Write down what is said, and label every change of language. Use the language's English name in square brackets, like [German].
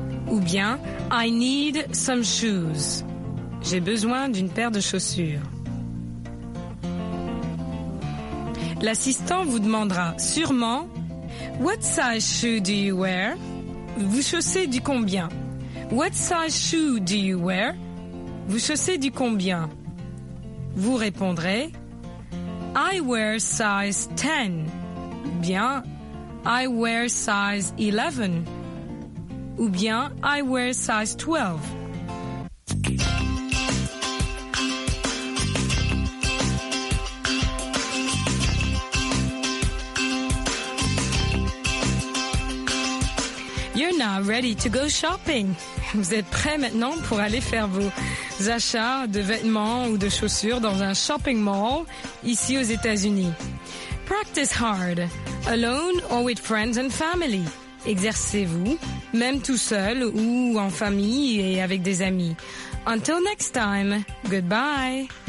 [French] Ou bien [English] I need some shoes. [French] J'ai besoin d'une paire de chaussures. L'assistant vous demandera sûrement [English] What size shoe do you wear? [French] Vous chaussez du combien? [English] What size shoe do you wear? [French] Vous chaussez du combien? Vous répondrez [English] I wear size 10. Bien, I wear size 11. [French] ou bien [English] I wear size 12. You're now ready to go shopping. [French] Vous êtes prêt maintenant pour aller faire vos achats de vêtements ou de chaussures dans un shopping mall ici aux États-Unis. [English] Practice hard, alone or with friends and family. [French] Exercez-vous, même tout seul ou en famille et avec des amis. [English] Until next time, goodbye.